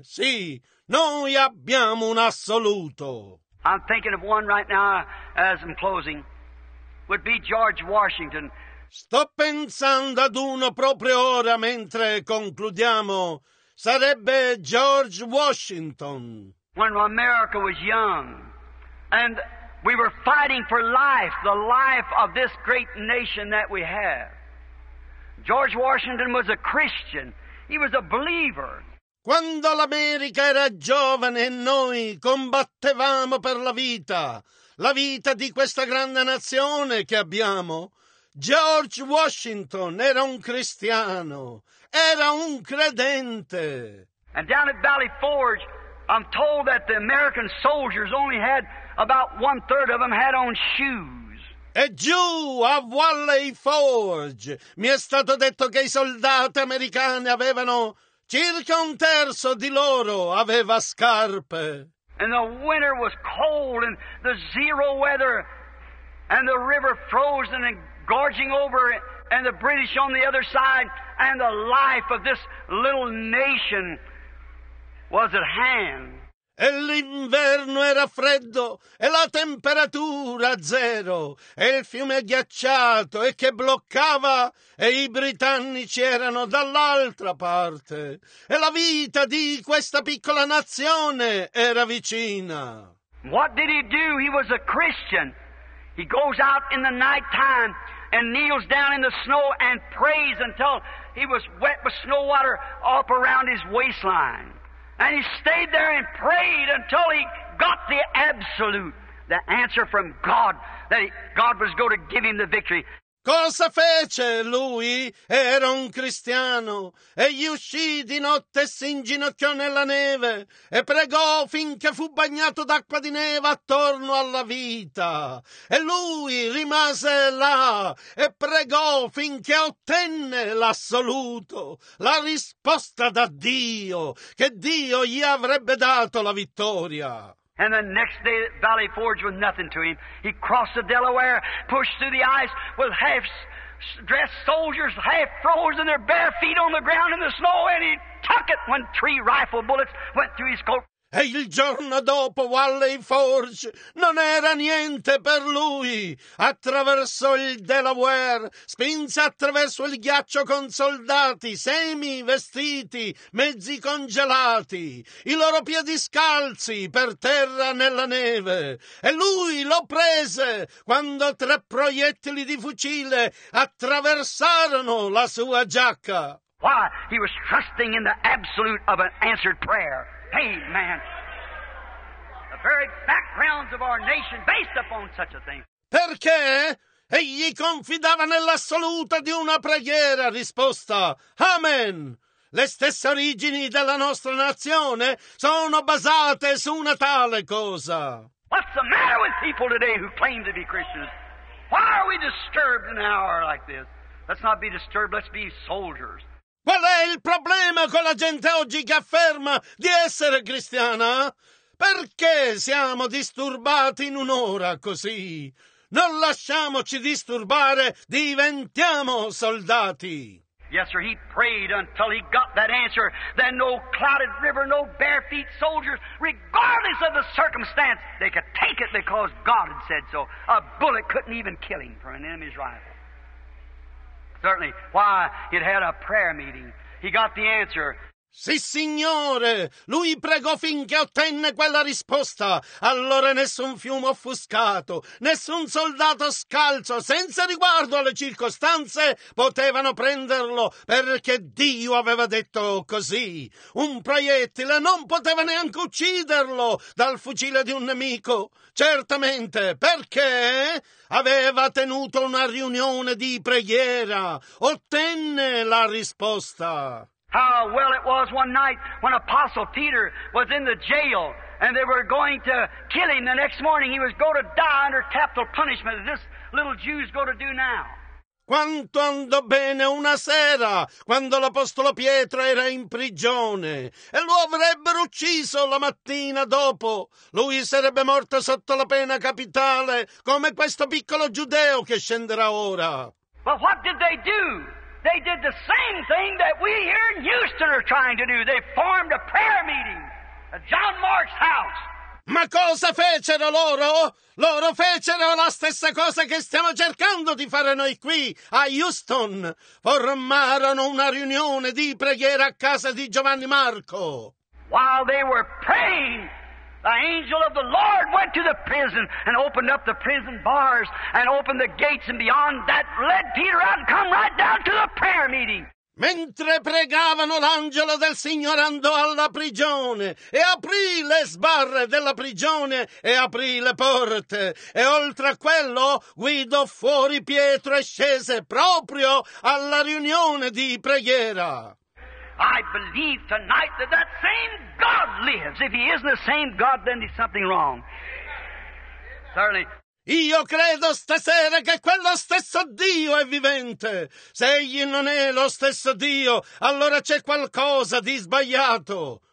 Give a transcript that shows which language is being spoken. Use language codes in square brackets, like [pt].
[it] Sì, noi abbiamo un assoluto. [en] I'm thinking of one right now as I'm closing. Would be George Washington. [it] Sto pensando ad uno proprio ora mentre concludiamo. Sarebbe George Washington. [en] When America was young and we were fighting for life, the life of this great nation that we have. George Washington was a Christian. He was a believer. [it] Quando l'America era giovane e noi combattevamo per la vita di questa grande nazione che abbiamo, George Washington era un cristiano, era un credente. [en] And down at Valley Forge, I'm told that the American soldiers only had about one third of them had on shoes. [it] E giù a Valley Forge mi è stato detto che i soldati americani avevano circa un terzo di loro aveva scarpe. [en] And the winter was cold and the zero weather and the river frozen and gorging over and the British on the other side and the life of this little nation was at hand. [it] E l'inverno era freddo e la temperatura zero e il fiume ghiacciato e che bloccava e i britannici erano dall'altra parte e la vita di questa piccola nazione era vicina. [en] What did he do? He was a Christian. He goes out in the night time and kneels down in the snow and prays until he was wet with snow water up around his waistline. And he stayed there and prayed until he got the absolute, the answer from God, that God was going to give him the victory. [it] Cosa fece lui? Era un cristiano. Egli uscì di notte e si inginocchiò nella neve e pregò finché fu bagnato d'acqua di neve attorno alla vita. E lui rimase là e pregò finché ottenne l'assoluto, la risposta da Dio, che Dio gli avrebbe dato la vittoria. [en] And the next day, Valley Forge was nothing to him. He crossed the Delaware, pushed through the ice with half-dressed soldiers, half-frozen, their bare feet on the ground in the snow, and he took it when 3 rifle bullets went through his coat. [it] E il giorno dopo Valley Forge non era niente per lui. Attraversò il Delaware, spinse attraverso il ghiaccio con soldati, semi vestiti, mezzi congelati, i loro piedi scalzi per terra nella neve. E lui lo prese quando 3 proiettili di fucile attraversarono la sua giacca. [en] Why? He was trusting in the absolute of an answered prayer. Amen. The very backgrounds of our nation based upon such a thing. [it] Perché egli confidava nell'assoluta di una preghiera risposta. Amen. Le stesse origini della nostra nazione sono basate su una tale cosa. [en] What's the matter with people today who claim to be Christians? Why are we disturbed in an hour like this? Let's not be disturbed, let's be soldiers. [it] Qual è il problema con la gente oggi che afferma di essere cristiana? Perché siamo disturbati in un'ora così? Non lasciamoci disturbare, diventiamo soldati. [en] Yes, sir, he prayed until he got that answer. Then no clouded river, no bare feet soldiers, regardless of the circumstance, they could take it because God had said so. A bullet couldn't even kill him from an enemy's rifle. Certainly, why, he'd had a prayer meeting. He got the answer. [it] Sì, signore, lui pregò finché ottenne quella risposta. Allora nessun fiume offuscato, nessun soldato scalzo, senza riguardo alle circostanze, potevano prenderlo, perché Dio aveva detto così. Un proiettile non poteva neanche ucciderlo dal fucile di un nemico. Certamente, perché aveva tenuto una riunione di preghiera, ottenne la risposta. [en] How well it was one night when Apostle Peter was in the jail and they were going to kill him the next morning. He was going to die under capital punishment. This little Jew is going to do now. [it] Quanto andò bene una sera quando l'Apostolo Pietro era in prigione e lo avrebbero ucciso la mattina dopo. Lui sarebbe morto sotto la pena capitale come questo piccolo giudeo che scenderà ora. [en] But what did they do? They did the same thing that we here in Houston are trying to do. They formed a prayer meeting at John Mark's house. [it] Ma cosa fecero loro? Loro fecero la stessa cosa che stiamo cercando di fare noi qui, a Houston. Formarono una riunione di preghiera a casa di Giovanni Marco. [en] While they were praying, the angel of the Lord went to the prison and opened up the prison bars and opened the gates, and beyond that led Peter out and come right down to the prayer meeting. [it] Mentre pregavano, l'angelo del Signore andò alla prigione e aprì le sbarre della prigione e aprì le porte. E oltre a quello, guidò fuori Pietro e scese proprio alla riunione di preghiera. [en] I believe tonight that that same God lives. If he isn't the same God, then there's something wrong. Certainly. [it] Io credo stasera che quello stesso Dio è vivente. Se egli non è lo stesso Dio, allora c'è qualcosa di sbagliato.